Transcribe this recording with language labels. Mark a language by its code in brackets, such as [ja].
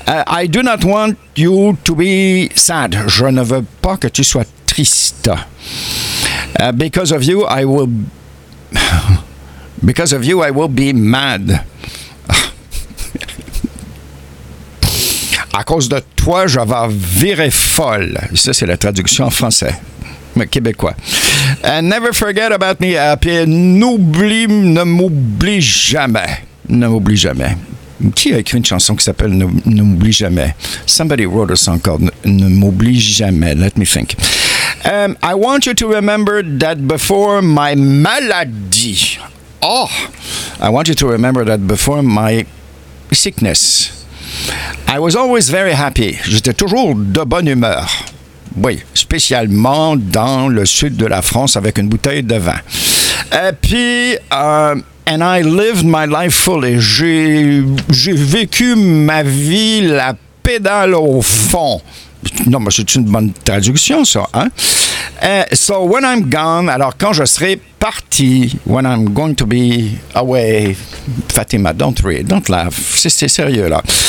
[en] I do not want you to be sad. [fr] Je ne veux pas que tu sois triste. [en] Because of you, I will... Because of you, I will be mad. [fr] À cause de toi, je vais virer folle. Ça, c'est la traduction en français. Mais québécois. [en] And never forget about me. [fr] Puis, ne m'oublie jamais. Ne m'oublie jamais. Qui a écrit une chanson qui s'appelle « Ne m'oublie jamais » [en] Somebody wrote a song called « Ne m'oublie jamais ». Let me think. « I want you to remember that before my maladie. » Oh, I want you to remember that before my sickness. I was always very happy. [fr] J'étais toujours de bonne humeur. Oui, spécialement dans le sud de la France avec une bouteille de vin. Et puis, [en] and I lived my life fully. [fr] J'ai vécu ma vie la pédale au fond. Non, mais c'est une bonne traduction, ça, hein? [en] So when I'm gone, [fr] alors quand je serai parti, [en] when I'm going to be away, Fatima, don't read, don't laugh, [fr] c'est sérieux là.